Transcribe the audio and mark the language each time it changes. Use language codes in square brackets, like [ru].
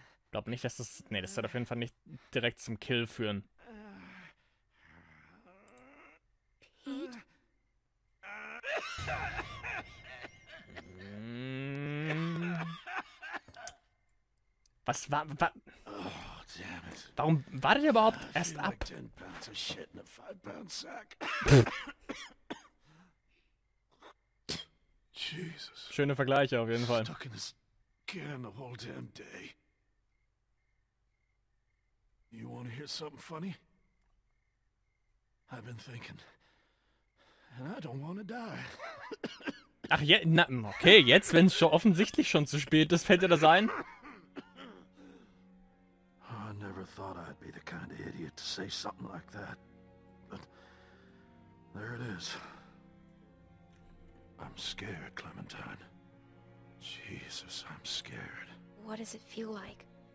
[de] Glaub nicht, dass das, nee, das wird auf jeden Fall nicht direkt zum Kill führen. Was war, [en] oh, damn it. [de] Warum wartet ihr überhaupt erst ab? [en] Like 10 pounds of shit in a 5-pound sack. Jesus. [de] Schöne Vergleiche auf jeden Fall. [en] Stuck in this can the whole damn day. You want to hear something funny? I've been thinking. And I don't want to die. [de] Ach ja, na, okay, jetzt, wenn es schon offensichtlich schon zu spät ist, fällt dir das ein? [en] I never thought I'd be the kind of idiot to say something like that, but there it is. I'm scared, Clementine. Jesus, I'm scared. What does it feel like?